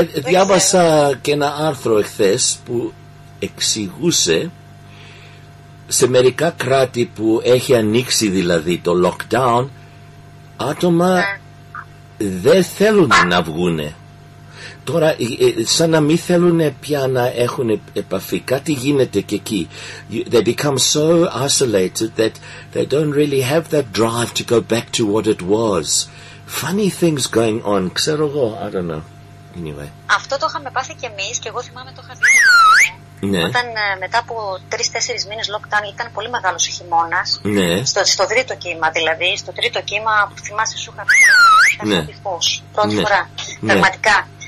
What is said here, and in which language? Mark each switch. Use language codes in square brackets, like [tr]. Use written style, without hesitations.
[el] Διάβασα και ένα άρθρο εχθές που εξηγούσε σε μερικά κράτη που έχει ανοίξει, δηλαδή το lockdown, άτομα δεν θέλουν να βγούνε. Τώρα, σαν να μην θέλουν πια να έχουν επαφή. Κάτι γίνεται και εκεί. [en] They become so isolated that they don't really have that drive to go back to what it was. Funny things going on. [el] Ξέρω εγώ. [en] I don't know. Anyway. [el] Αυτό το είχαμε πάθει και εμείς και εγώ θυμάμαι το είχα δει. Όταν μετά από 3-4 μήνες lockdown ήταν πολύ μεγάλος ο χειμώνας. Στο τρίτο κύμα δηλαδή. Στο τρίτο κύμα που θυμάσαι σου είχα πει. Φως. Πρώτη φορά. Πραγματικά.